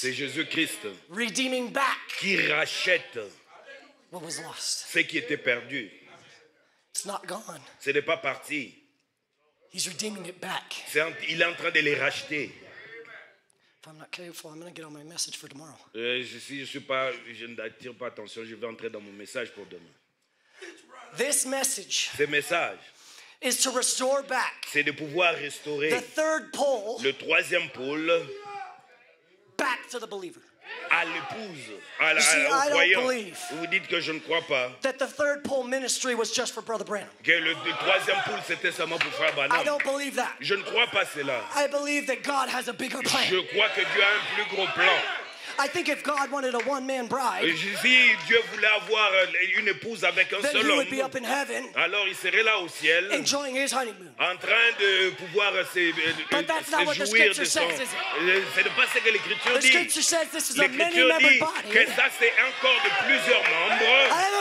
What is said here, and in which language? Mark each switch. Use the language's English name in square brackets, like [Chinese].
[French] C'est Jésus Christ. [English] Redeeming back. [French] Qui rachète. [English] What was lost. [French] Ce qui était perdu. [English] It's not gone. [French] Ce n'est pas parti. [English] He's redeeming it back. [French] Il est en train de les racheter. [English] If I'm not careful, I'm going to get on my message for tomorrow. [French] Si je suis pas, je n'attire pas attention, je vais entrer dans mon message pour demain. [English] This message, [French] ce message [English] is to restore back, [French] c'est de pouvoir restaurer [English] the third pole, [French] le troisième pôle, [English] back to the believer. [French] À l'épouse, à [English] see, [French] croyant. Vous dites que je ne crois pas [English] that the third pole ministry was just for Brother Branham. [French] Que le troisième pôle c'était seulement pour Frère Branham. [English] I don't believe that. [French] Je ne crois pas cela. [English] I believe that God has a bigger plan. [French] Je crois que Dieu a un plus gros plan. [English] I think if God wanted a one-man bride, [French] si Dieu voulait avoir une épouse avec un seul homme, [English] he would be up in heaven, [French] alors il serait là au ciel, [English] enjoying his honeymoon. [French] En train de pouvoir se jouir de son. Ce n'est pas ce que l'Écriture dit. [English] Scripture says this is [French] l'Écriture [English] a [French] dit que ça c'est un corps de plusieurs membres.